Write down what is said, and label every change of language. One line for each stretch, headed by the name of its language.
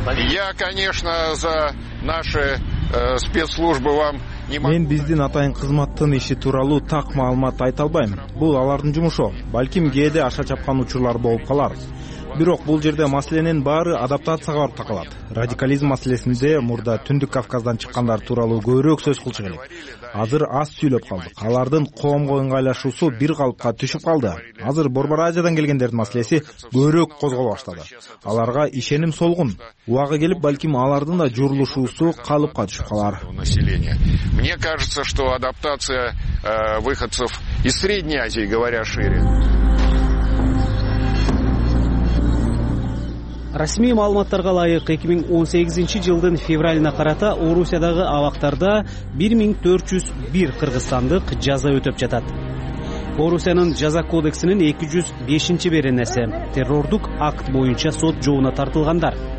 Russian: я конечно за наши спецслужбы вам не могу.
Kyrgyz: Мен биздин атайын кызматтын иши тууралуу так маалымат айта албайм. Бул алардын жумушу. Балким кээде аша чапкан учурлар болуп калар. Бирок бул жерде маселенин баары адаптацияга барып такалат. Радикализм маселесинде мурда Түндүк Кавказдан чыккандар тууралуу көбүрөөк сөз кылчу керек. Азыр аз сүйлөп калдык. Алардын коомго ыңгайлашуусу бир калыпка түшүп калды. Азыр Борбор Азиядан келгендердин маселеси көбүрөөк козголо баштады. Аларга ишеним солгун. Убагы келип балким алардын да журулушуусу калыпка түшүп калар.
Russian: Мне кажется, что адаптация выходцев из Средней Азии, говоря шире.
Kyrgyz: Расмий маалыматтарга ылайык 2018 жылдын февралына карата Орусиядагы абактарда 1401 кыргызстандык жаза өтөп жатат. Орусиянын жаза кодексинин 205-беренеси террордук акт боюнча сот жообуна тартылгандар.